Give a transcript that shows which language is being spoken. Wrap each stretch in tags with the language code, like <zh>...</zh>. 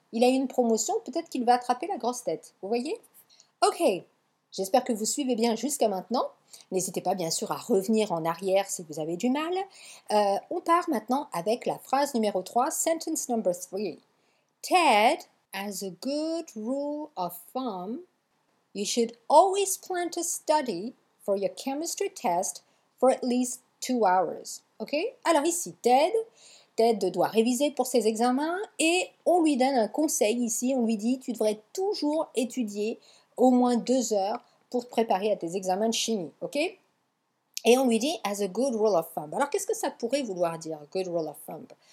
<fr>Il a eu une promotion, peut-être qu'il va attraper la grosse tête, vous voyez? Ok, j'espère que vous suivez bien jusqu'à maintenant. N'hésitez pas, bien sûr, à revenir en arrière si vous avez du mal. On part maintenant avec la phrase numéro 3,</fr> <en>sentence number 3. Ted has a good rule of thumb. You should always plan to study for your chemistry test for at least 2 hours. Ok?</en> <fr>Alors ici, Ted doit réviser pour ses examens et on lui donne un conseil ici. On lui dit, tu devrais toujours étudier au moins 2 heures pour te préparer à tes examens de chimie. Ok? Et on lui dit,</fr> <en>as a good rule of thumb.</en> <fr>Alors qu'est-ce que ça pourrait vouloir dire,</fr> <en>good rule of thumb?</en>